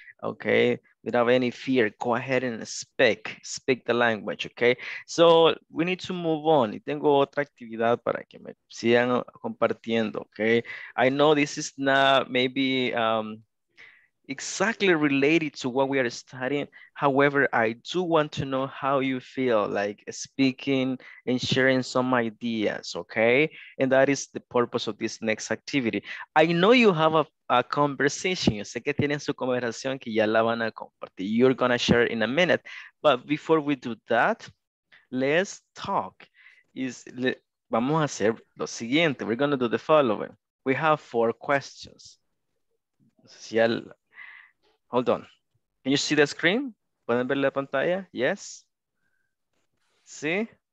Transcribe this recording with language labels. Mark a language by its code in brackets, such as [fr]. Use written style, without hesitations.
[en] Okay, without any fear, go ahead and speak. Speak the language, okay? So we need to move on. [es] Y tengo otra actividad para que me sigan compartiendo, okay? [en] I know this is not maybe exactly related to what we are studying. However, I do want to know how you feel like speaking and sharing some ideas, okay? And that is the purpose of this next activity. I know you have a conversation. [es] Yo sé que tienen su conversación que ya la van a compartir. [en] You're gonna share in a minute. But before we do that, let's talk. [es] Vamos a hacer lo siguiente. [en] We're gonna do the following. We have four questions. Hold on. Can you see the screen? [es] ¿Pueden ver la pantalla? [en] Yes. ¿Sí?